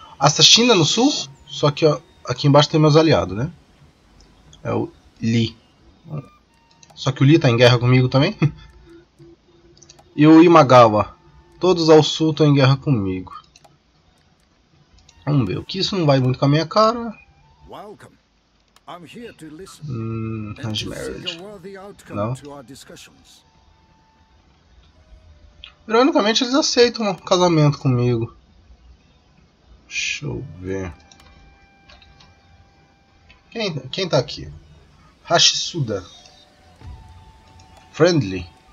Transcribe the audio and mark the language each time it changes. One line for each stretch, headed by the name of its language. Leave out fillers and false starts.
Portuguese: Assassina no sul, só que ó, aqui embaixo tem meus aliados, né? É o Li. Só que o Li está em guerra comigo também. E o Imagawa. Todos ao sul estão em guerra comigo. Vamos ver, o que isso não vai muito com a minha cara.
English: Welcome. I'm here to listen and to seek Hanjmerid. a worthy outcome
Portuguese: Não.
English: to our discussions.
Portuguese: Ironicamente, eles aceitam um casamento comigo. Deixa eu ver. Quem tá aqui? Hashisuda. Friendly.